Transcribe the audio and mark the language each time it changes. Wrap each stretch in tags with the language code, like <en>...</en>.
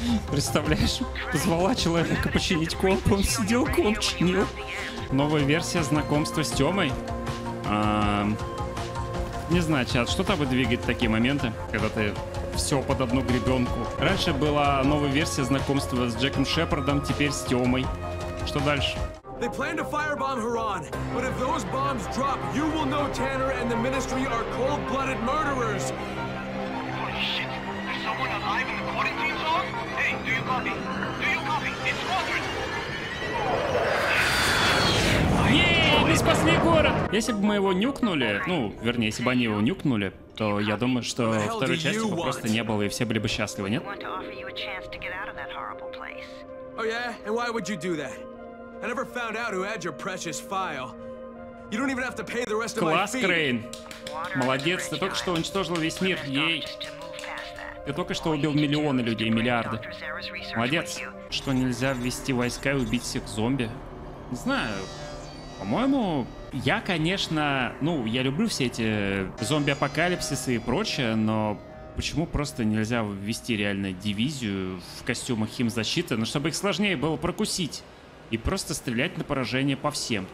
<ru>Представляешь, позвала человека починить комп, он сидел, комп чинил. Новая версия знакомства с Тёмой. Не знаю, чат, что там выдвигает такие моменты, когда ты... Все под одну гребенку. Раньше была новая версия знакомства с Джеком Шепардом, теперь с Тёмой. Что дальше?</ru> <en>They plan to firebomb Haran, but if those bombs drop, you will know Tanner and the Ministry are cold-blooded murderers. Holy shit! There's someone alive in the quarantine zone? Hey, do you copy? Do you copy? It's Squadron!</en> <ru>Мы спасли город! Если бы мы его нюкнули, ну, вернее, если бы они его нюкнули, то я думаю, что второй части бы просто не было, и все были бы счастливы, нет?</ru> <en>Oh yeah? And why would you do that? I never found out who had your precious file. You don't even have to pay the rest of my fee.</en> <ru>Класс, Крейн! Молодец, ты только что уничтожил весь мир, ей! Ты только что убил миллионы людей, миллиарды. Молодец! Что, нельзя ввести войска и убить всех зомби? Не знаю... По-моему, я, конечно, ну, я люблю все эти зомби-апокалипсисы и прочее, но почему просто нельзя ввести реально дивизию в костюмах химзащиты, ну, чтобы их сложнее было прокусить и просто стрелять на поражение по всем?</ru>